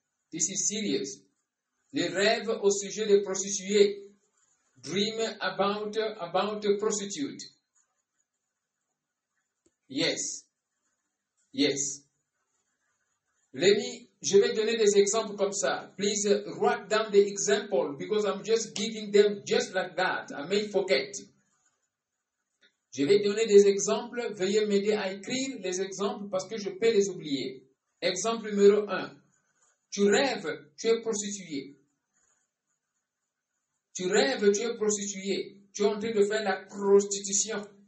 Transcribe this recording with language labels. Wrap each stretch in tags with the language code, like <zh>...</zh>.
<en>This is serious.</en> <fr>Les rêves au sujet des prostituées.</fr> <en>Dream about a prostitute. Yes. Yes.</en> <fr>Lenny, je vais donner des exemples comme ça.</fr> <en>Please write down the example because I'm just giving them just like that. I may forget.</en> <fr>Je vais donner des exemples. Veuillez m'aider à écrire les exemples parce que je peux les oublier. Exemple numéro 1. Tu rêves, tu es prostituée. Tu rêves, tu es prostituée. Tu es en train de faire la prostitution.</fr>